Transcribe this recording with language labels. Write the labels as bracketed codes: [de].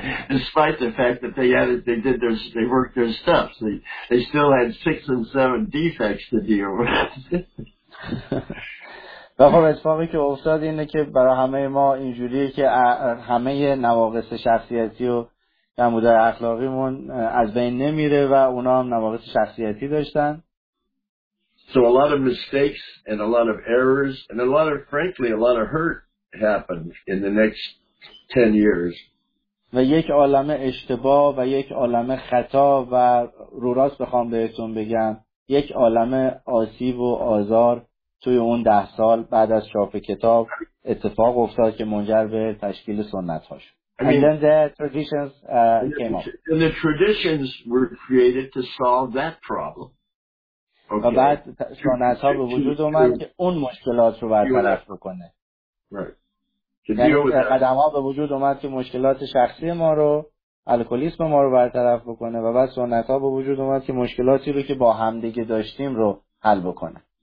[en] Despite the fact that they worked their steps, they still had 6 and 7 defects to deal with. [fa] خب اتفاقی که افتاد اینه که برای همه ما اینجوریه که همه نواقص شخصیتی و کمبودهای اخلاقیمون از بین نمیره و اونا هم نواقص شخصیتی داشتن. [en] So a lot of mistakes and a lot of errors and frankly a lot of hurt happened in the next 10 years. [fa] و یک عالمه اشتباه و یک عالمه خطا و رو راست بخوام بهتون بگم یک عالمه آسیب و آزار توی اون 10 سال بعد از چاپ کتاب اتفاق افتاد که منجر به تشکیل سنت‌ها شد. [en] And the traditions were created to solve that problem. [fa] و بعد سنت ها به وجود اومد که اون مشکلات رو برطرف بکنه. یعنی قدم ها به وجود اومد که مشکلات شخصی ما رو، الکولیسم ما رو برطرف بکنه، و بعد سنت ها به وجود اومد که مشکلاتی رو که با همدیگه داشتیم رو حل بکنه.